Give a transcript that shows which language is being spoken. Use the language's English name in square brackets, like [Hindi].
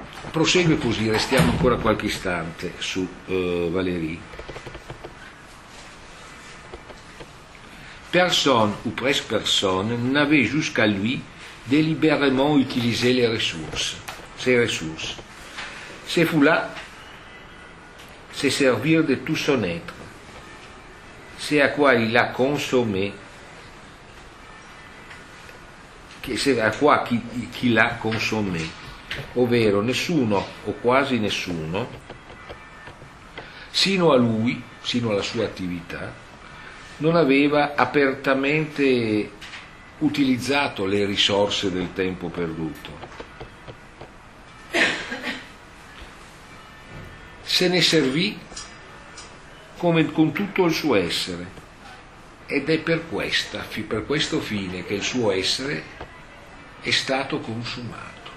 [Italian] Prosegue così, restiamo ancora qualche istante su Valéry. [French] Personne ou presque personne n'avait jusqu'à lui délibérément utilisé les ressources, ses ressources. Ce fut là se servir de tout son être, ce à quoi il a consommé, qu'il a consommé. [Italian] Ovvero nessuno o quasi nessuno sino a lui, sino alla sua attività, non aveva apertamente utilizzato le risorse del tempo perduto. Se ne servì come con tutto il suo essere, ed è per questo fine che il suo essere è stato consumato.